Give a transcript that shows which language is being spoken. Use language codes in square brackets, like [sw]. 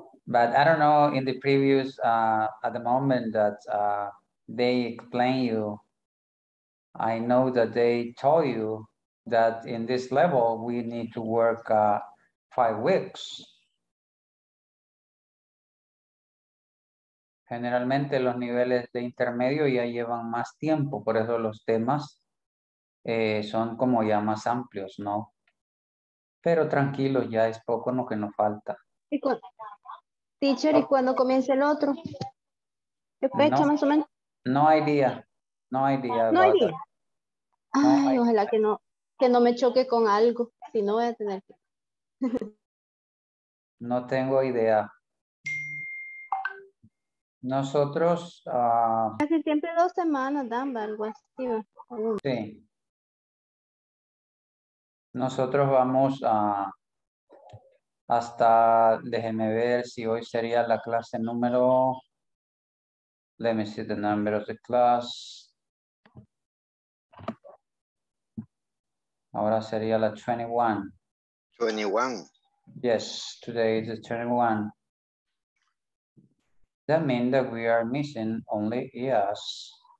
[en] But I don't know, in the previous, at the moment that they explain you, I know that they told you that in this level, we need to work 5 weeks. [es] Generalmente los niveles de intermedio ya llevan más tiempo, por eso los temas son como ya más amplios, ¿no? Pero tranquilo, ya es poco lo que nos falta. Teacher, ¿y cuándo comienza el otro? ¿Qué fecha, no, más o menos? No hay día. No hay día. No hay día. Ay, no, ojalá que no me choque con algo. Si no, voy a tener que... No tengo idea. Nosotros... Casi siempre 2 semanas, Damba, algo así. Sí. Nosotros vamos a... Hasta, déjenme ver si hoy sería la clase número. [en] Let me see the number of the class. [es] Ahora sería la 21. 21. [en] Yes, today is the 21. That means that we are missing only ES.